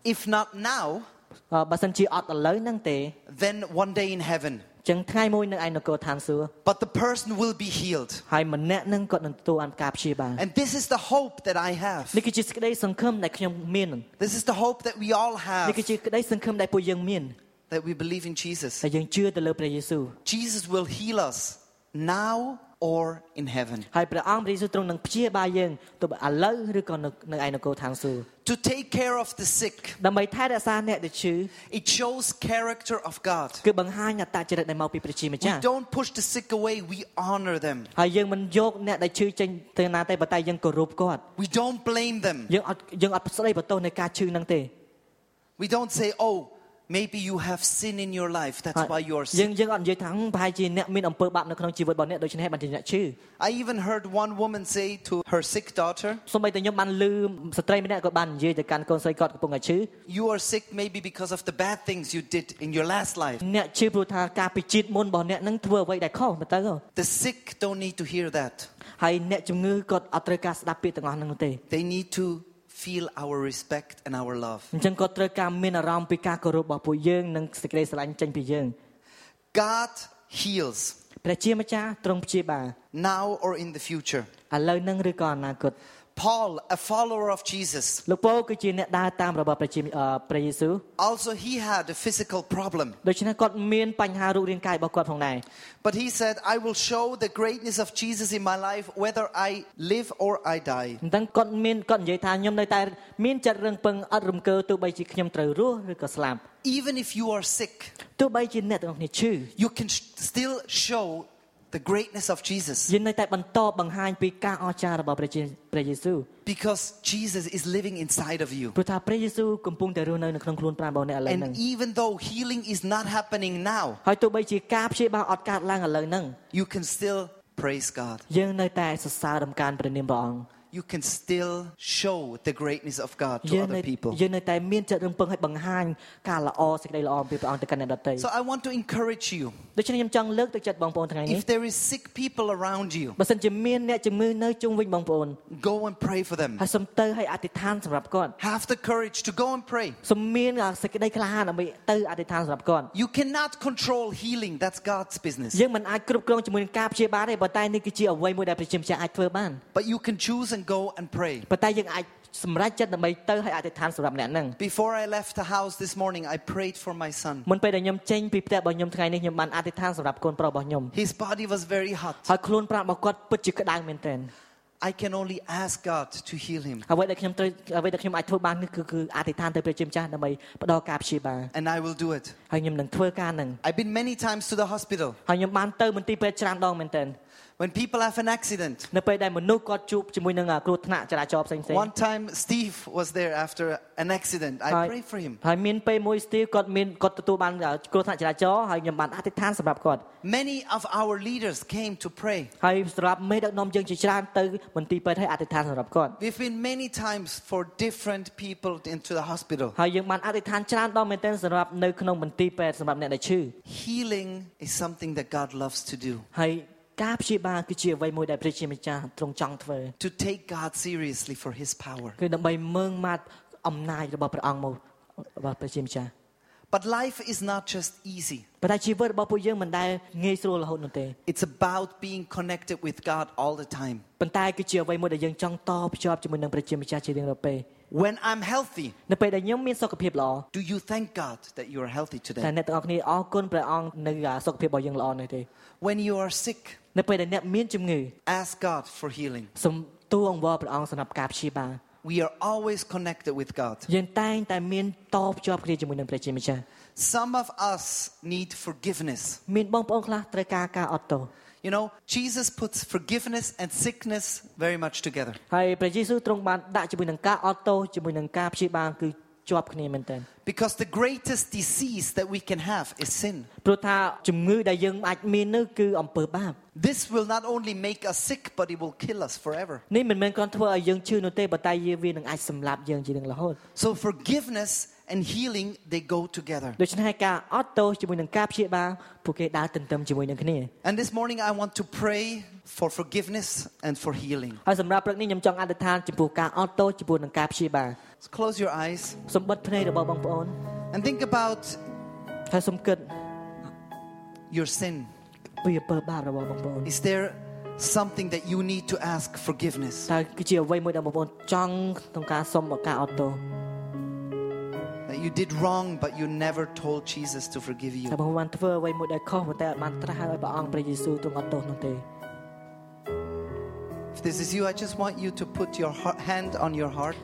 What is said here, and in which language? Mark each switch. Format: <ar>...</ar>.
<en>If not now</en> <km>បើសិនជាអត់ឥឡូវហ្នឹងទេ</km> <en>then one day in heaven</en> <km>ចឹងថ្ងៃមួយនឹងឯនគរឋានសួគ៌</km> <en>But the person will be healed.</en> <km>ហើយម្នាក់នឹងគាត់នឹងទទួលបានការព្យាបាល</km> <en>And this is the hope that I have.</en> <km>នេះគឺជាសេចក្តីសង្ឃឹមដែលខ្ញុំមាន</km> <en>This is the hope that we all have.</en> <km>នេះគឺជាសេចក្តីសង្ឃឹមដែលពួកយើងមាន</km> <en>That we believe in Jesus.</en> <km>ហើយយើងជឿទៅលើព្រះយេស៊ូវ</km> <en>Jesus will heal us now or in heaven.</en> <km>ហើយព្រះអង្គព្រះយេស៊ូវទ្រង់នឹងព្យាបាលយើងទៅឥឡូវឬក៏នៅឯនគរឋានសួគ៌.</km> <en>To take care of the sick.</en> <km>ដើម្បីថែរក្សាអ្នកដែលឈឺ.</km> <en>It shows character of God.</en> <km>គឺបង្ហាញអត្តចរិតដែលមកពីព្រះជាម្ចាស់.</km> <en>We don't push the sick away, we honor them.</en> <km>ហើយយើងមិនយកអ្នកដែលឈឺចេញទៅណាទេតែយើងគោរពគាត់.</km> <en>We don't blame them.</en> <km>យើងអត់ស្ដីបន្ទោសនឹងការឈឺនឹងទេ.</km> <en>We don't say, "Oh, maybe you have sin in your life. That's why you're sick."</en> <km>យើងអត់និយាយថាប្រហែលជាអ្នកមានអំពើបាបនៅក្នុងជីវិតរបស់អ្នកដូច្នេះបានជាអ្នកឈឺ.</km> <en>I even heard one woman say to her sick daughter.</en> <km>សូម្បីតែខ្ញុំបានឮស្ត្រីម្នាក់ក៏បាននិយាយទៅកាន់កូនស្រីគាត់កំពុងតែឈឺ.</km> <en>You are sick maybe because of the bad things you did in your last life.</en> <km>អ្នកឈឺព្រោះថាការពីជាតិមុនរបស់អ្នកនឹងធ្វើអ្វីដែលខុសមកទៅ.</km> <en>The sick don't need to hear that.</en> <km>ហើយអ្នកជំងឺក៏អត់ត្រូវការស្ដាប់ពាក្យទាំងអស់នោះទេ.</km> <en>They need to feel our respect and our love.</en> <km>យើងក៏ត្រូវការមានអារម្មណ៍ពីការគោរពរបស់ពួកយើងនិងសេចក្តីស្រឡាញ់ចេញពីយើង.</km> <en>God heals.</en> <km>ព្រះជាម្ចាស់ទ្រង់ព្យាបាល.</km> <en>Now or in the future.</en> <km>ឥឡូវនឹងឬក៏អនាគត.</km> <en>Paul, a follower of Jesus.</en> <km>លោកពូគឺជាអ្នកដើរតាមរបស់ព្រះជាព្រះយេស៊ូវ.</km> <en>Also he had a physical problem.</en> <km>ដូច្នេះគាត់មានបញ្ហារូបរាងកាយរបស់គាត់ផងដែរ.</km> <en>But he said, "I will show the greatness of Jesus in my life, whether I live or I die."</en> <km>ម្ដងគាត់មានគាត់និយាយថាខ្ញុំនៅតែមានចិត្តរឹងពឹងអត់រំកើទោះបីជាខ្ញុំត្រូវរស់ឬក៏ស្លាប់.</km> <en>Even if you are sick.</en> <km>ទោះបីជាអ្នកទាំងអស់គ្នាឈឺ.</km> <en>You can still show the greatness of Jesus.</en> <km>យើងនៅតែបន្តបង្ហាញពីការអស្ចារ្យរបស់ព្រះយេស៊ូវ.</km> <en>Because Jesus is living inside of you.</en> <km>ព្រោះថាព្រះយេស៊ូវកំពុងតែរស់នៅក្នុងខ្លួនប្រាណរបស់អ្នកឥឡូវហ្នឹង.</km> <en>And even though healing is not happening now.</en> <km>ហើយទោះបីជាការព្យាបាលអត់កើតឡើងឥឡូវហ្នឹង.</km> <en>You can still praise God.</en> <km>យើងនៅតែសរសើរដំណការព្រះនាមព្រះអង្គ.</km> <en>You can still show the greatness of God to other people.</en> <km>យើងនៅតែមានចិត្តរឹងពឹងឲ្យបង្ហាញការល្អសេចក្តីល្អពីព្រះអង្គទៅកាន់អ្នកដទៃ.</km> <en>So I want to encourage you.</en> <km>ដូច្នេះខ្ញុំចង់លើកទឹកចិត្តបងប្អូនថ្ងៃនេះ.</km> <en>If there is sick people around you.</en> <km>បើសិនជាមានអ្នកជំងឺនៅជុំវិញបងប្អូន.</km> <en>Go and pray for them.</en> <km>ហើយសូមទៅឲ្យអធិដ្ឋានសម្រាប់គាត់.</km> <en>Have the courage to go and pray.</en> <km>សូមមានសេចក្តីក្លាហានដើម្បីទៅអធិដ្ឋានសម្រាប់គាត់.</km> <en>You cannot control healing. That's God's business.</en> <km>យើងមិនអាចគ្រប់គ្រងជាមួយនឹងការព្យាបាលទេ, តែនេះគឺជាអ្វីមួយដែលព្រះជាម្ចាស់អាចធ្វើបាន.</km> <en>But you can choose and go and pray.</en> <km>ប៉ុន្តែយើងអាចសម្រេចចិត្តដើម្បីទៅហើយអធិដ្ឋានសម្រាប់អ្នកហ្នឹង.</km> <en>Before I left the house this morning, I prayed for my son.</en> <km>មុនពេលដែលខ្ញុំចេញពីផ្ទះរបស់ខ្ញុំថ្ងៃនេះខ្ញុំបានអធិដ្ឋានសម្រាប់កូនប្រុសរបស់ខ្ញុំ.</km> <en>His body was very hot.</en> <km>ហើយខ្លួនប្រាណរបស់គាត់ពិតជាក្តៅមែនទែន.</km> <en>I can only ask God to heal him.</en> <km>អ្វីដែលខ្ញុំត្រូវអ្វីដែលខ្ញុំអាចធ្វើបាននេះគឺអធិដ្ឋានទៅព្រះជាម្ចាស់ដើម្បីផ្ដល់ការព្យាបាល.</km> <en>And I will do it.</en> <km>ហើយខ្ញុំនឹងធ្វើការហ្នឹង.</km> <en>I've been many times to the hospital.</en> <km>ហើយខ្ញុំបានទៅមន្ទីរពេទ្យច្រើនដងមែនទែន.</km> <en>When people have an accident.</en> <km>នៅពេលដែលមនុស្សគាត់ជួបជាមួយនឹងគ្រោះថ្នាក់ចរាចរណ៍ផ្សេងៗ.</km> <en>One time Steve was there after an accident. I pray for him.</en> <km>ហើយមានពេលមួយ Steve គាត់មានគាត់ទទួលបានគ្រោះថ្នាក់ចរាចរណ៍ហើយខ្ញុំបានអធិដ្ឋានសម្រាប់គាត់.</km> <en>Many of our leaders came to pray.</en> <km>ហើយសម្រាប់មេដឹកនាំយើងជាច្រើនទៅមន្ទីរពេទ្យហើយអធិដ្ឋានសម្រាប់គាត់.</km> <en>We've been many times for different people into the hospital.</en> <km>ហើយយើងបានអធិដ្ឋានច្រើនដងមែនទែនសម្រាប់នៅក្នុងមន្ទីរពេទ្យសម្រាប់អ្នកដែលឈឺ.</km> <en>Healing is something that God loves to do.</en> <km>ហើយការព្យាបាលគឺជាអ្វីមួយដែលព្រះជាម្ចាស់ទ្រង់ចង់ធ្វើ.</km> <en>To take God seriously for his power.</en> <km>គឺដើម្បីមើងម៉ាត់អំណាចរបស់ព្រះអង្គមកព្រះជាម្ចាស់.</km> <en>But life is not just easy.</en> <km>ប៉ុន្តែជីវិតរបស់ពួកយើងមិនដែលងាយស្រួលរហូតនោះទេ.</km> <en>It's about being connected with God all the time.</en> <km>ប៉ុន្តែគឺជាអ្វីមួយដែលយើងចង់តភ្ជាប់ជាមួយនឹងព្រះជាម្ចាស់ជារៀងរាល់ពេល.</km> <en>When I'm healthy.</en> <km>នៅពេលដែលខ្ញុំមានសុខភាពល្អ.</km> <en>Do you thank God that you are healthy today?</en> <km>តែអ្នកទាំងអស់គ្នាអរគុណព្រះអង្គនៅសុខភាពរបស់យើងល្អនេះទេ.</km> <en>When you are sick.</en> <km>នៅពេលដែលអ្នកមានជំងឺ</km> <en>Ask God for healing.</en> <km>សូមទូអង្វរព្រះអង្គសម្រាប់ការព្យាបាល.</km> <en>We are always connected with God.</en> <km>យើងតែងតែមានតភ្ជាប់គ្នាជាមួយនឹងព្រះជាម្ចាស់.</km> <en>Some of us need forgiveness.</en> <km>មានបងប្អូនខ្លះត្រូវការការអត់ទោស.</km> <en>You know, Jesus puts forgiveness and sickness very much together.</en> <km>ហើយព្រះយេស៊ូវទ្រង់បានដាក់ជាមួយនឹងការអត់ទោសជាមួយនឹងការព្យាបាលគឺជាប់គ្នាមែនទែន.</km> <en>Because the greatest disease that we can have is sin.</en> <km>ព្រោះថាជំងឺដែលយើងអាចមាននោះគឺអំពើបាប.</km> <en>This will not only make us sick but it will kill us forever.</en> <km>នេះមិនមែនគ្រាន់ធ្វើឲ្យយើងឈឺនោះទេប៉ុន្តែវានឹងអាចសម្លាប់យើងជារៀងរហូត.</km> <en>So forgiveness and healing they go together.</en> <km>ដូច្នេះការអត់ទោសជាមួយនឹងការព្យាបាលពួកគេដើរទន្ទឹមជាមួយនឹងគ្នា.</km> <en>And this morning I want to pray for forgiveness and for healing.</en> <km>ហើយសម្រាប់ព្រឹកនេះខ្ញុំចង់អធិដ្ឋានចំពោះការអត់ទោសជាមួយនឹងការព្យាបាល.</km> <en>Close your eyes.</en> <km>សូមបិទភ្នែករបស់បងប្អូន.</km> <en>And think about</en> <km>ហើយសូមគិត</km> <en>your sin.</en> <km>ពីអំពើបាបរបស់បងប្អូន.</km> <en>Is there something that you need to ask forgiveness?</en> <km>តើគឺជាអ្វីមួយដែលបងប្អូនចង់ត្រូវការសុំការអត់ទោស?</km> <en>That you did wrong but you never told Jesus to forgive you.</en> <km>តើបងប្អូនធ្វើអ្វីមួយដែលខុសប៉ុន្តែអត់បានត្រាស់ឲ្យព្រះអង្គព្រះយេស៊ូវទ្រង់អត់ទោសនោះទេ?</km> <en>this is you, I just want you to put your hand on your heart.</en>